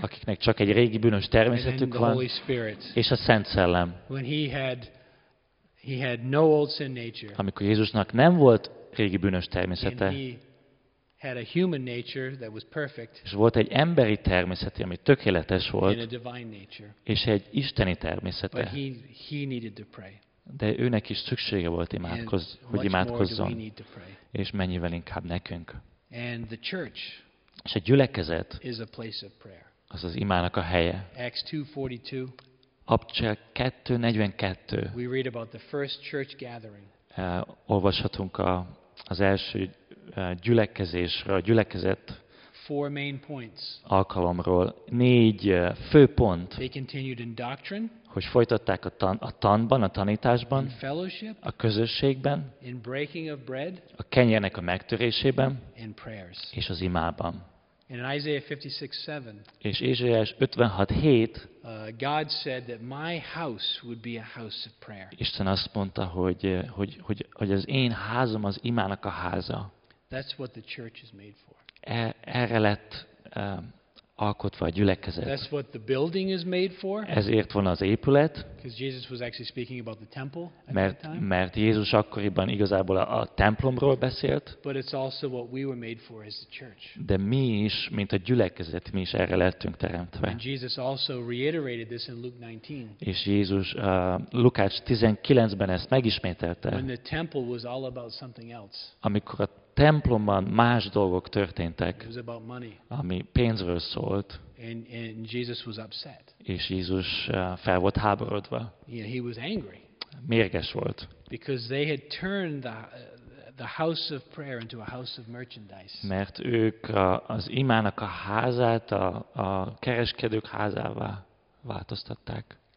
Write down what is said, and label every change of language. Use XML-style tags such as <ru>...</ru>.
<hu>akiknek csak egy régi bűnös természetük van, és a Szent Szellem.</hu> <en>When he had no old sin nature.</en> <hu>Amikor Jézusnak nem volt régi bűnös természete.</hu> <en>He had a human nature that was perfect.</en> <hu>És volt egy emberi természete, ami tökéletes volt.</hu> <en>And a divine nature.</en> <hu>És egy isteni természete.</hu> <en>But he needed to pray.</en> <hu>De őnek is szüksége volt hogy imádkozzon. És mennyivel inkább nekünk.</hu> <en>And the church.</en> <hu>És a gyülekezet.</hu> <en>Is a place of prayer.</en> <hu>Az az imának a helye.</hu> <en>Acts 2:42.</en> <hu>Apcsel 2:42.</hu> <en>We read about the first church gathering.</en> <hu>Olvashatunk az első gyülekezésről, gyülekezet.</hu> <en>Four main points.</en> <hu>Alkalomról négy fő pont.</hu> <en>They continued in doctrine.</en> <hu>Hogy folytatták a tanban, a tanításban.</hu> <en>In fellowship.</en> <hu>A közösségben.</hu> <en>In breaking of bread.</en> <hu>A kenyérnek a megtörésében.</hu> <en>In prayers.</en> <hu>És az imában.</hu> <en>In Isaiah 56:7.</en> <hu>És Ézsaiás 56:7.</hu> <en>God said that my house would be a house of prayer.</en> <hu>Isten azt mondta, hogy az én házam az imának a háza.</hu> <en>That's what the church is made for.</en> <hu>Erre lett alkotva a gyülekezet.</hu> <en>That's what the building is made for.</en> <hu>Ezért van az épület.</hu> <en>Because Jesus was actually speaking about the temple.</en> <hu>Mert Jézus akkoriban igazából a templomról beszélt.</hu> <en>But it's also what we were made for as the church.</en> <hu>De mi is, mint a gyülekezet, mi is erre lettünk teremtve.</hu> <en>And Jesus also reiterated this in Luke 19.</en> <hu>És Jézus Lukács 19-ben ezt megismételte.</hu> <en>When the temple was all about something else.</en> <hu>Amikor a templomban más dolgok történtek, ami pénzről szólt,</hu> <en>and Jesus was upset.</en> <hu>És Jézus fel volt háborodva.</hu> <en>Yeah, he was angry.</en> <hu>Mérges volt.</hu> <en>Because they had turned the house of prayer into a house of merchandise.</en> <hu>Mert ők az imának a házát a kereskedők házává változtatták.</hu>